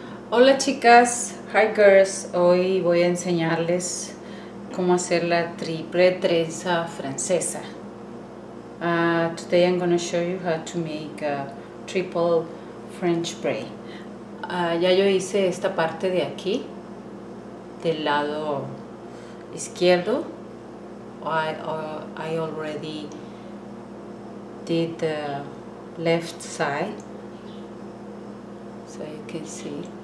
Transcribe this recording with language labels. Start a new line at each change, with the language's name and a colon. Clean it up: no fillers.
Spanish: Hola chicas, hikers, hoy voy a enseñarles cómo hacer la triple trenza francesa.
English: Today I'm going to show you how to make a triple French braid.
Spanish: Ya yo hice esta parte de aquí, del lado izquierdo.
English: I already did the left side, so you can see.